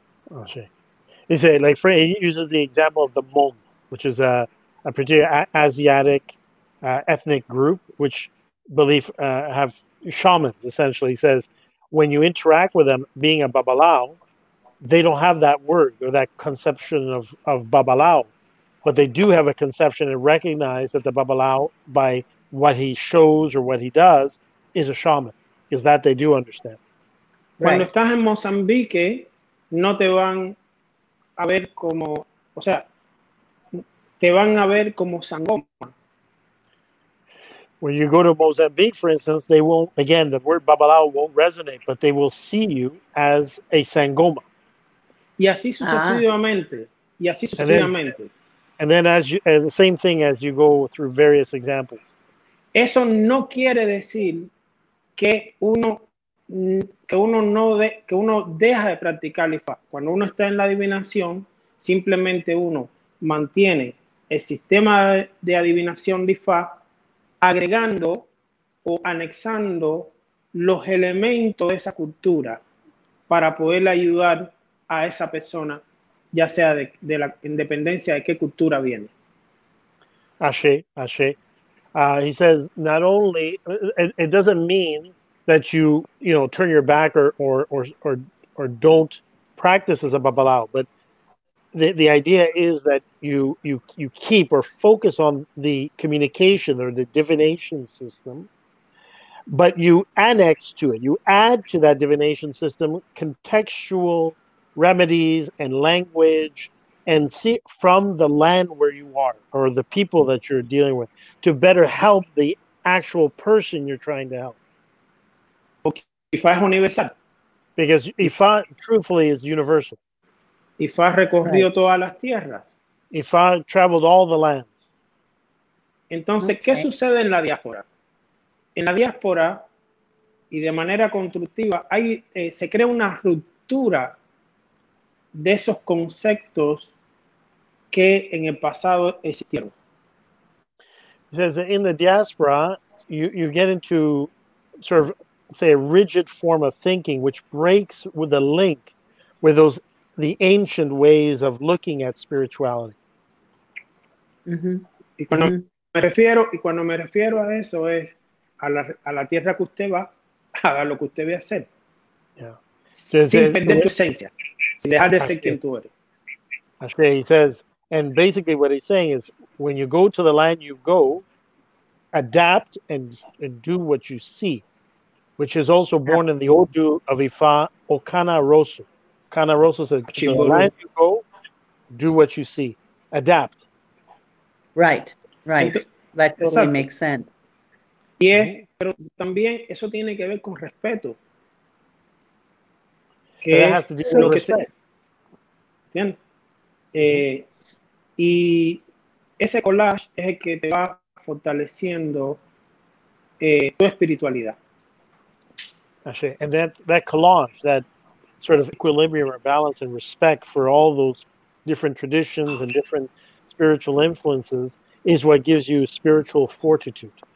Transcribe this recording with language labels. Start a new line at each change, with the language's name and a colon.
English: Oh, he said, like, he uses the example of the Hmong, which is a particular Asiatic ethnic group, which believe have shamans, essentially. He says, when you interact with them, being a babalao, they don't have that word or that conception of babalao, but they do have a conception and recognize that the babalao, by what he shows or what he does, is a shaman, because that they do understand.
Spanish: Cuando
English: right.
Spanish: estás en Mozambique, no te van a ver como, o sea, te van a ver como sangoma.
English: When you go to Mozambique, for instance, they won't, again, the word babalao won't resonate, but they will see you as a sangoma.
Spanish: Y así sucesivamente. Y así sucesivamente.
English: And then as you, the same thing as you go through various examples.
Spanish: Eso no quiere decir que uno... que uno no de, que uno deja de practicar el Ifá. Cuando uno está en la adivinación, simplemente uno mantiene el sistema de adivinación de Ifá agregando o anexando los elementos de esa cultura para poderle ayudar a esa persona, ya sea de la independencia de qué cultura viene.
Yoruba: Ashe, Ashe.
English: He says, not only, it doesn't mean that you know, turn your back or don't practice as a babalao, but the idea is that you keep or focus on the communication or the divination system, but you annex to it, you add to that divination system contextual remedies and language, and see from the land where you are or the people that you're dealing with to better help the actual person you're trying to help.
Spanish: Ifá es universal.
English: Because Ifá, truthfully, is universal.
Spanish: Ifá recorrió
English: right.
Spanish: todas las tierras.
English: Ifá traveled all the lands.
Spanish: Entonces, okay. ¿qué sucede en la diáspora? En la diáspora, y de manera constructiva, hay, se crea una ruptura de esos conceptos que en el pasado existieron.
English: He says that in the diaspora, you get into sort of say a rigid form of thinking which breaks with the link with those the ancient ways of looking at spirituality. Mm-hmm.
Spanish: Y cuando me refiero a eso es a la tierra que usted va, haga lo que usted ve hacer.
English: Yeah.
Spanish: Sin perder tu esencia, sin dejar de ser quien tú eres.
English: That's great. He says, and basically what he's saying is when you go to the land you go, adapt and do what you see. Which is also born in the Odu of Ifá, Okana Rosu. Okana Rosu says, the land you go, do what you see. Adapt. Right, right. That totally makes sense.
Spanish: Yes, pero también eso tiene que ver con respeto.
English: Que that has to do with respect.
Spanish: ¿Entiendes? Y ese collage es el que te va fortaleciendo tu espiritualidad.
English: And that collage, that sort of equilibrium or balance and respect for all those different traditions and different spiritual influences is what gives you spiritual fortitude.